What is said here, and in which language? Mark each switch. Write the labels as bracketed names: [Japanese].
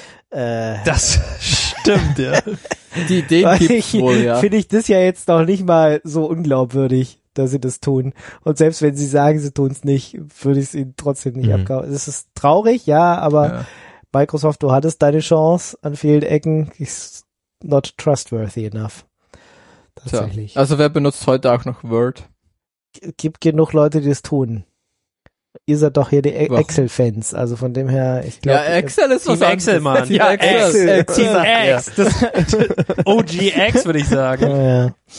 [German] Das stimmt, ja. Die Idee gibt's wohl, ja. Finde ich das ja jetzt noch nicht mal so unglaubwürdig, dass sie das tun. Und selbst wenn sie sagen, sie tun es nicht, würde ich es ihnen trotzdem nicht abkaufen. Es ist traurig, ja, aber ja. Microsoft, du hattest deine Chance an vielen Ecken. [English] It's not trustworthy enough. [German] Tatsächlich. Tja. Also wer benutzt heute auch noch Word? Gibt genug Leute, die es tun. Ihr seid doch hier die Excel-Fans, also von dem her, ich glaube... Ja, Excel ist was anderes. Excel, Mann. Ja, Excel. Team X. OG X, würde ich sagen. Ja, ja.